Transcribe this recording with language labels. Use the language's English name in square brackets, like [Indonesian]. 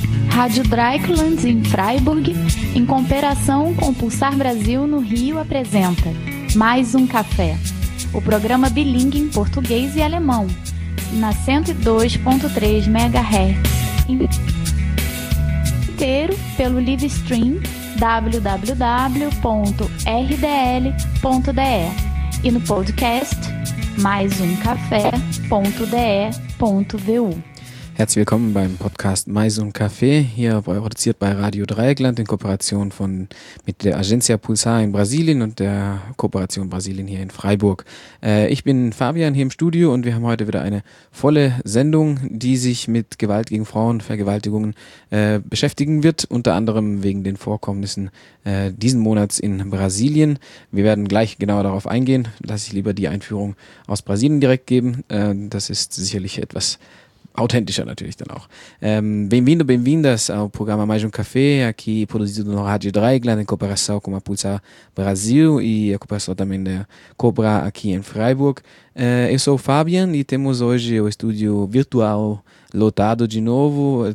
[Portuguese] Rádio Dreieckland em Freiburg, em cooperação com o Pulsar Brasil no Rio, apresenta Mais um Café, o programa bilíngue em português e alemão, na 102.3 MHz, inteiro pelo live stream www.rdl.de e no podcast maisumcafé.de.vu. [German] Herzlich willkommen beim Podcast Mais un Café, hier produziert bei Radio Dreieckland in Kooperation mit der Agencia Pulsar in Brasilien und der Kooperation Brasilien hier in Freiburg. Ich bin Fabian hier im Studio und wir haben heute wieder eine volle Sendung, die sich mit Gewalt gegen Frauen, Vergewaltigungen beschäftigen wird, unter anderem wegen den Vorkommnissen diesen Monats in Brasilien. Wir werden gleich genauer darauf eingehen, lasse ich lieber die Einführung aus Brasilien direkt geben, das ist sicherlich etwas authentischer natürlich dann auch. [Portuguese] Bem-vindo, bem-vindas ao programa Mais um Café, aqui produzido no Rádio Dreieckland, em cooperação com a Pulsar Brasil e a cooperação também da Cobra aqui em Freiburg. Eu sou o Fabian e temos hoje o estúdio virtual lotado de novo.